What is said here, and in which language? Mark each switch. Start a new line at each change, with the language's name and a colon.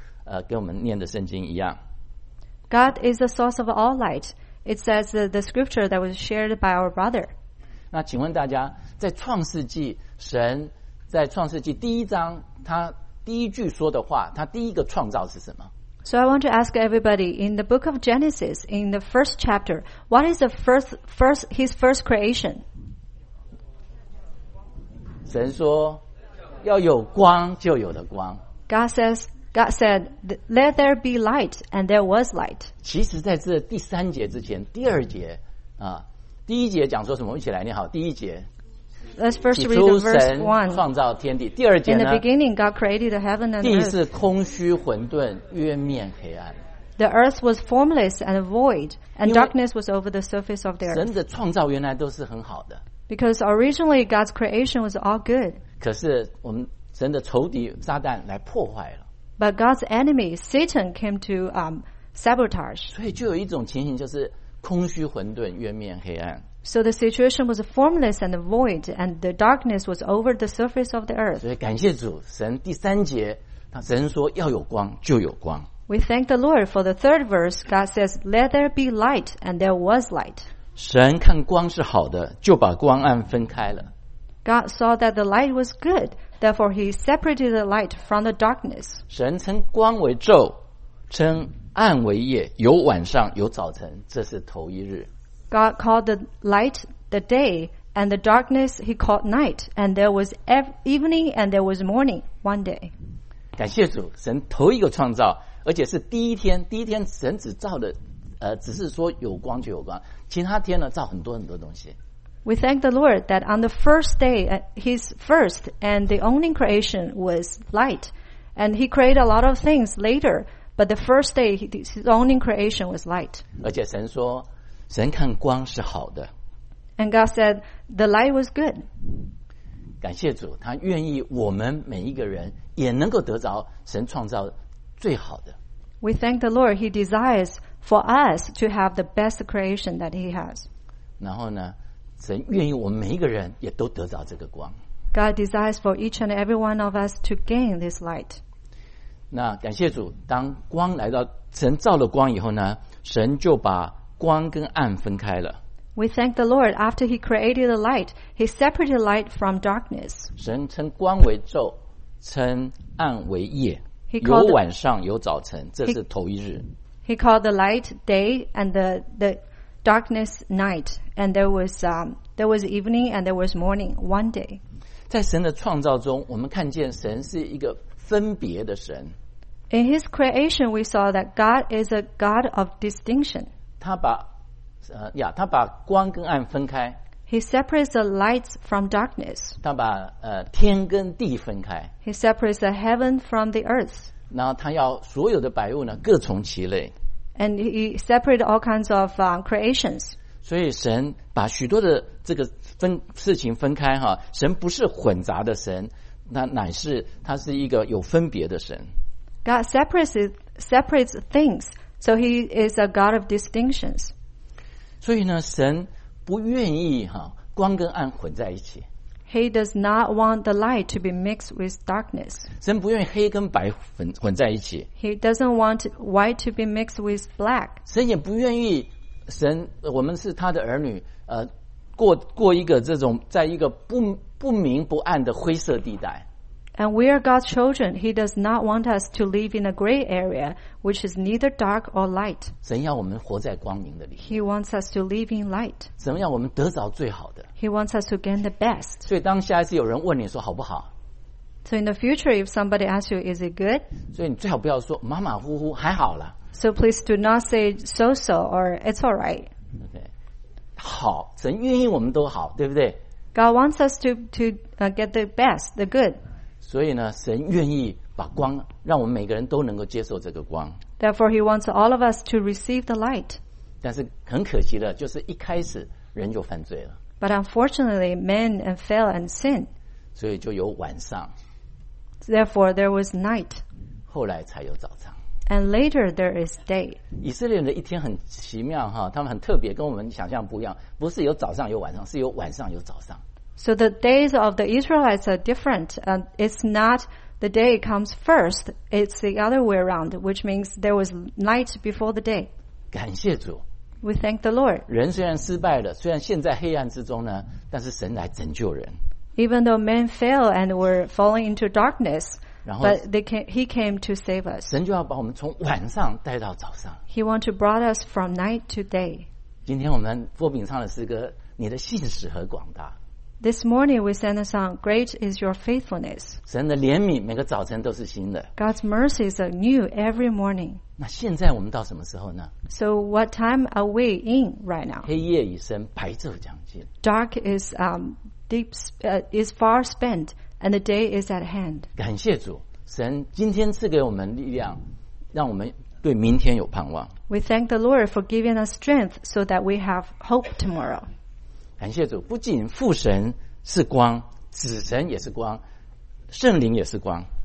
Chinese: 神是众光的源头，就像我们今天我们弟兄一开始播饼的时候，给我们念的圣经一样。
English: God is the source of all light. It says the scripture that was shared by our brother.
Chinese: 那请问大家，在创世纪，神在创世纪第一章，他第一句说的话，他第一个创造是什么？
English: So I want to ask everybody, in the book of Genesis, in the first chapter, what is the his first creation?
Chinese: 神说，要有光就有了光。
English: God says, God said, let there be light, and there was light.
Chinese: 其实在这第三节之前，第二节，第一节讲说什么？一起来念好，第一节。
English: Let's first read the verse 1.
Chinese: 起初神创造天地。第二节呢？
English: In the beginning, God created the heaven and earth.
Chinese: 地是空虚混沌，渊面黑暗。
English: The earth was formless and void, and darkness was over the surface of the earth.
Chinese: 神的创造原来都是很好的。
English: Because originally, God's creation was all good.
Chinese: 可是我们神的仇敌撒旦来破坏了。
English: But God's enemy, Satan, came to sabotage.
Chinese: 所以就有一种情形就是空虚混沌，渊面黑暗。
English: So the situation was formless and void, and the darkness was over the surface of the earth.
Chinese: 所以感谢主，神第三节，他神说要有光，就有光。
English: We thank the Lord for the third verse. God says, "Let there be light," and there was light.
Chinese: 神看光是好的，就把光暗分开了。
English: God saw that the light was good, therefore He separated the light from the darkness.
Chinese: 神称光为昼，称暗为夜，有晚上，有早晨，这是头一日。
English: God called the light the day, and the darkness He called night, and there was evening, and there was morning, one day.
Chinese: 感谢主，神头一个创造，而且是第一天，第一天神只造的，只是说有光就有光，其他天呢，造很多很多东西。
English: We thank the Lord that on the first day, His first and the only creation was light, and He created a lot of things later, but the first day, His only creation was light.
Chinese: 而且神说神看光是好的。
English: And God said, the light was good.
Chinese: 感谢主，他愿意我们每一个人也能够得着神创造最好的。
English: We thank the Lord, He desires for us to have the best creation that He has.
Chinese: 然后呢，神愿意我们每一个人也都得着这个光。
English: God desires for each and every one of us to gain this light.
Chinese: 那感谢主，当光来到，神照了光以后呢，神就把光跟暗分开了。
English: We thank the Lord after He created the light, He separated light from darkness.
Chinese: 神称光为昼，称暗为夜。有晚上，有早晨，这是头一日。
English: He called the light day and the darkness night, and there was evening and there was morning one day.
Chinese: 在神的创造中，我们看见神是一个分别的神。
English: In His creation, we saw that God is a God of distinction.
Chinese: 他把光跟暗分开。
English: He separates the lights from darkness.
Chinese: 他把天跟地分开。
English: He separates the heaven from the earth.
Chinese: 然后他要所有的百物呢各从其类。
English: And He separates all kinds of creations.
Chinese: 所以神把许多的这个事情分开哈，神不是混杂的神，那乃是他是一个有分别的神。
English: God separates things. So He is a God of distinctions.
Chinese: 所以呢，神不愿意哈光跟暗混在一起。
English: He does not want the light to be mixed with darkness.
Chinese: 神不愿意黑跟白混在一起。
English: He doesn't want white to be mixed with black.
Chinese: 神也不愿意神我们是他的儿女，过一个这种在一个不明不暗的灰色地带。
English: And we are God's children. He does not want us to live in a gray area, which is neither dark or light.
Chinese: 神要我们活在光明的里。
English: He wants us to live in light.
Chinese: 神要我们得着最好的。
English: He wants us to gain the best.
Chinese: 所以当下一次有人问你说好不好？
English: So in the future, if somebody asks you, is it good?
Chinese: 所以你最好不要说马马虎虎，还好了。
English: So please do not say so-so or it's all right.
Chinese: Okay. 好，神愿意我们都好，对不对？
English: God wants us to get the best, the good.
Chinese: 所以呢，神愿意把光让我们每个人都能够接受这个光。
English: Therefore, He wants all of us to receive the light.
Chinese: 但是很可惜的，就是一开始人就犯罪了。
English: But unfortunately, man fell and sin.
Chinese: 所以就有晚上。
English: Therefore, there was night.
Chinese: 后来才有早上。
English: And later there is day.
Chinese: 以色列人的一天很奇妙哈，他们很特别，跟我们想象不一样，不是有早上有晚上，是有晚上有早上。
English: So the days of the Israelites are different. It's not the day comes first. It's the other way around, which means there was night before the day.
Chinese: 感谢主。
English: We thank the Lord.
Chinese: 人虽然失败了，虽然现在黑暗之中呢，但是神来拯救人。
English: Even though men fell and were falling into darkness, but He came to save us.
Chinese: 神就要把我们从晚上带到早上。
English: He wants to brought us from night to day.
Chinese: 今天我们波饼唱的诗歌，你的信实和广大。
English: This morning we sang a song, Great is your faithfulness.
Chinese: 神的怜悯每个早晨都是新的。
English: God's mercy is new every morning.
Chinese: 那现在我们到什么时候呢？
English: So what time are we in right now?
Chinese: 黑夜已深，白昼将近。
English: Dark is deep, is far spent, and the day is at hand.
Chinese: 感谢主，神今天赐给我们力量，让我们对明天有盼望。
English: We thank the Lord for giving us strength so that we have hope tomorrow.
Chinese: 感谢主，不仅父神是光，子神也是光，圣灵也是光。